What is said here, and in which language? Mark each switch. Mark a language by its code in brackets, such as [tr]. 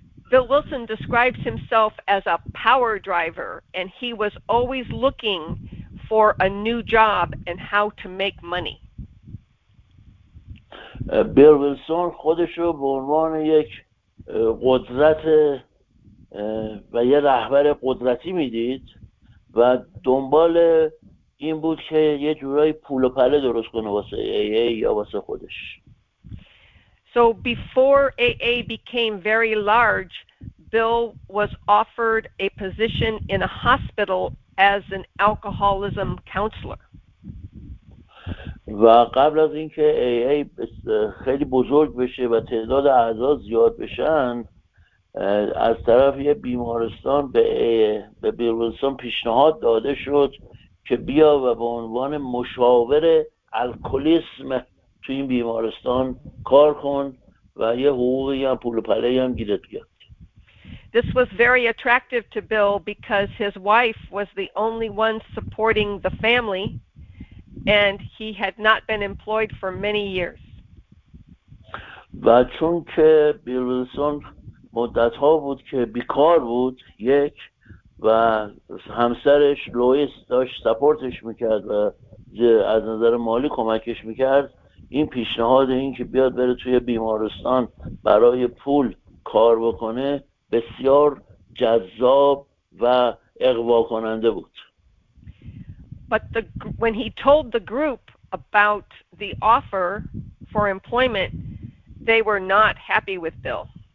[en] Bill Wilson describes himself as a power driver and he was always looking for a new job and how to make money. [fa] بیل ویلسون خودش رو به عنوان یک قدرت و یه رهبر قدرتی میدید و دنبال این بود که یه جورای پول و پله درست کنه واسه AA یا واسه خودش. [en] So before AA became very large, Bill was offered a position in a hospital as an alcoholism counselor. [fa] و قبل از اینکه AA خیلی بزرگ بشه و تعداد اعضا زیاد بشن، از طرف یه بیمارستان به بیل ویلسون پیشنهاد داده شد که بیا و به عنوان مشاور الکلیسم تو این بیمارستان کار کن و یه حقوقی هم پول پله هم گیرت بیاد. [en] This was very attractive to Bill because his wife was the only one supporting the family and he had not been employed for many years. [fa] و چون که بیل ویلسون مدت ها بود که بیکار بود، یک، و همسرش لوئیس داشت سپورتش میکرد و از نظر مالی کمکش میکرد، این پیشنهاد این که بیاد بره توی بیمارستان برای پول کار بکنه بسیار جذاب و اغوا کننده بود. [en] But when he told the group about the offer for employment, they were not happy with Bill.